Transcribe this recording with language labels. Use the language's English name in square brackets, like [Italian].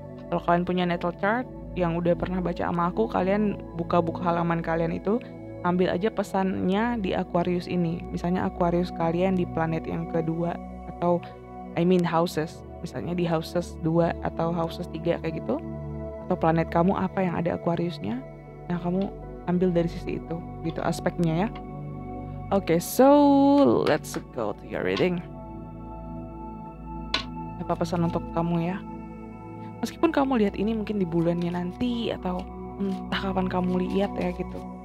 [Indonesian] Kalau kalian punya natal chart yang udah pernah baca sama aku, kalian buka-buka halaman kalian itu, ambil aja pesannya di Aquarius ini. Misalnya Aquarius kalian di planet yang kedua, atau [English] I mean [Indonesian] houses. Misalnya di houses 2 atau houses 3 kayak gitu. Atau planet kamu apa yang ada Aquariusnya. Nah, kamu ambil dari sisi itu, gitu aspeknya ya. [English] Okay, so let's go to your reading. [Indonesian] Apa pesan untuk kamu ya? Meskipun kamu lihat ini mungkin di bulannya nanti atau entah kapan kamu lihat ya gitu.